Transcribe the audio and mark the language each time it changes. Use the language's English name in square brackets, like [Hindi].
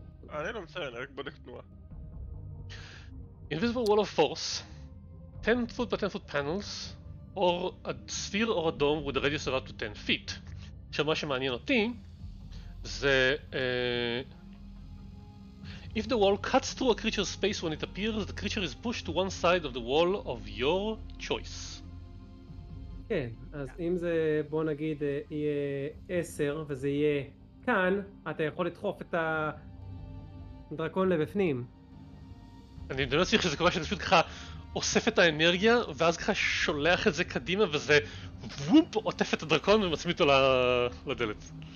[Hebrew] אני לא מצייר, אני רק בודק תנועה. [English] Invisible Wall of Force, 10 foot by 10 foot panels, or a sphere or a dome with a radius of up to 10 feet. [Hebrew] עכשיו מה שמעניין אותי, זה... [English] If the wall cuts through a creature's space when it appears, the creature is pushed to one side of the wall of your choice. [Hebrew] כן, אז אם זה, בוא נגיד, יהיה 10 וזה יהיה כאן, אתה יכול לדחוף את הדרקון לבפנים. אני לא צריך שזה קורה שאתה פשוט ככה אוסף את האנרגיה, ואז ככה שולח את זה קדימה וזה וופ, עוטף את הדרקון ומצמיד אותו לדלת.